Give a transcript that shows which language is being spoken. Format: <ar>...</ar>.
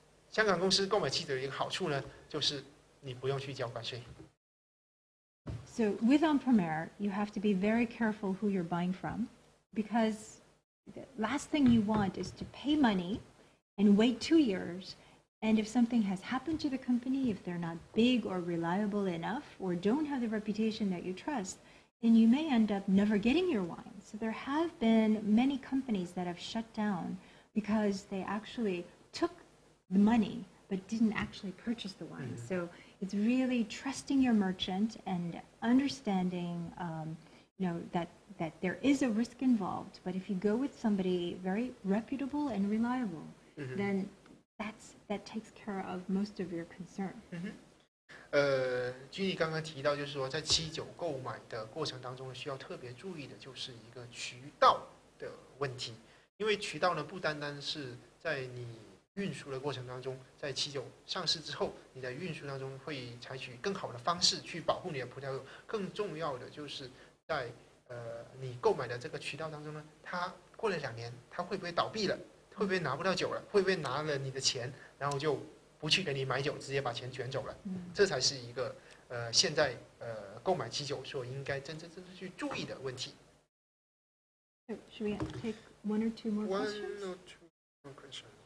<zh>香港公司购买汽酒的一个好处呢，就是你不用去交关税。</zh> <en>So with On Premier, you have to be very careful who you're buying from, because the last thing you want is to pay money and wait 2 years. And if something has happened to the company, if they're not big or reliable enough, or don't have the reputation that you trust, then you may end up never getting your wine. So there have been many companies that have shut down because they actually took the money but didn't actually purchase the wine. Mm-hmm. So it's really trusting your merchant and understanding, you know, that there is a risk involved. But if you go with somebody very reputable and reliable, mm-hmm. then... That takes care of most of your concern.</en> <zh>君毅刚刚提到，就是说在七九购买的过程当中，需要特别注意的就是一个渠道的问题，因为渠道呢不单单是在你运输的过程当中，在七九上市之后，你在运输当中会采取更好的方式去保护你的葡萄酒，更重要的就是在你购买的这个渠道当中呢，它过了两年，它会不会倒闭了？会不会拿不到酒了？会不会拿了你的钱，然后就不去给你买酒，直接把钱卷走了？这才是一个现在购买基酒所应该真正去注意的问题。</zh> <en>Should we take one or two more questions?</en>